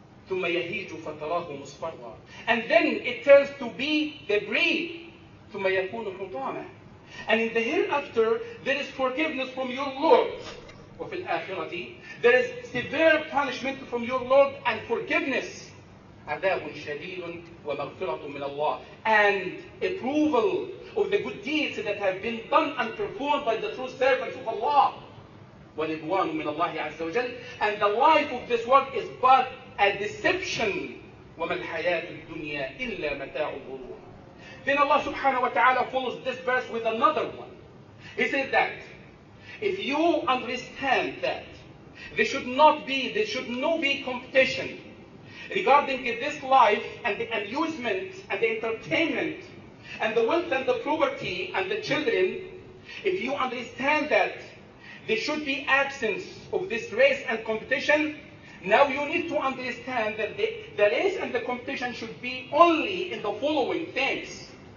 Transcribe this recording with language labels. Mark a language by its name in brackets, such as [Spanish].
[Arabic] ثم يهيج فتراه مصفرا. [English] And then it turns to be debris. [Arabic] ثم يكون حطاما. [English] And in the hereafter, there is forgiveness from your Lord. [Arabic] وفي الآخرة, [English] there is severe punishment from your Lord and forgiveness. [Arabic] عذاب شديد ومغفرة من الله. [English] And approval of the good deeds that have been done and performed by the true servants of Allah. [Arabic] ورضوان من الله عز وجل. [English] And the life of this world is but a deception. [Arabic] وما الحياة الدنيا إلا متاع الغرور. [English] Then Allah subhanahu wa ta'ala follows this verse with another one. He said that if you understand that there should not be competition regarding this life and the amusement and the entertainment and the wealth and the poverty and the children, if you understand that there should be absence of this race and competition, now you need to understand that the race and the competition should be only in the following things.